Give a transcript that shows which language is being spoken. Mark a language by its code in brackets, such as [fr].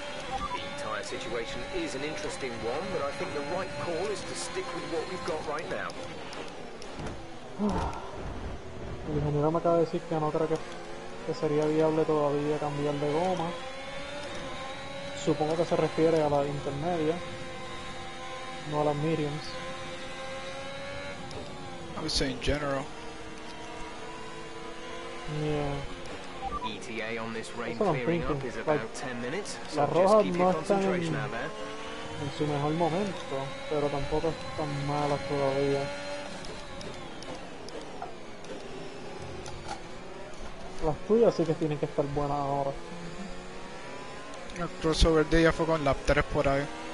[en] The entire situation is an interesting one, but I think the right call is to stick with what we've got right now. [es] El ingeniero me acaba de decir que no creo que sería viable todavía cambiar de goma. Supongo que se refiere a la intermedia, no a las mediums. [en] I would say in general. Yeah. ETA on this rain clearing up is about 10 minutes, so [es] rojas [en] just keep your concentration out there. [es] En su mejor momento, pero tampoco están malas todavía. Las tuyas sí que tienen que estar buenas ahora. El crossover de ella fue con lap 3 por ahí.